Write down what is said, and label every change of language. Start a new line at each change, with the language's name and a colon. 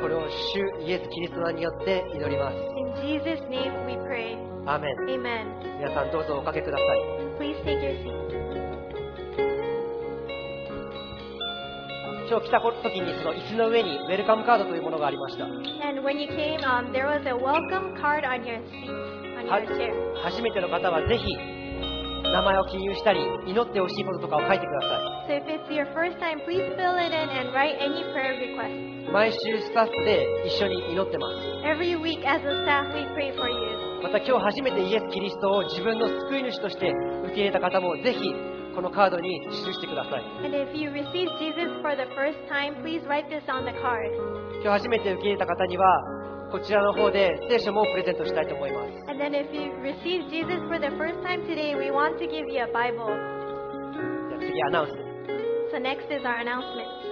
Japanese: これを主イエス・キリストによって祈ります。
English: In Jesus' name we pray.
Japanese: アーメン。
English: Amen.
Japanese: 皆さんどうぞおかけください。
English: Please take your seat.
Japanese: 今日来た時にその椅子の上にウェルカムカードというものがありました。
English: And when you came, there was a welcome card on your seat, on your chair.
Japanese: 初めての方はぜひ名前を記入したり祈ってほしいこととかを書いてください。
English: So if it's your first time, please fill it in and write any prayer request.
Japanese: 毎週スタッフで一緒に祈ってます。
English: Every week as a staff, we pray for you.
Japanese: また今日初めてイエス・キリストを自分の救い主として受け入れた方もぜひこのカードに記してください。
English: And if you receive Jesus for the first time, please write this on the card.
Japanese: 今日初めて受け入れた方にはこちらの方で聖書もプレゼントしたいと思います。
English: And then if you receive Jesus for the first time today, we want to give you a Bible.
Japanese: 次アナウンス。
English: So next is our announcement.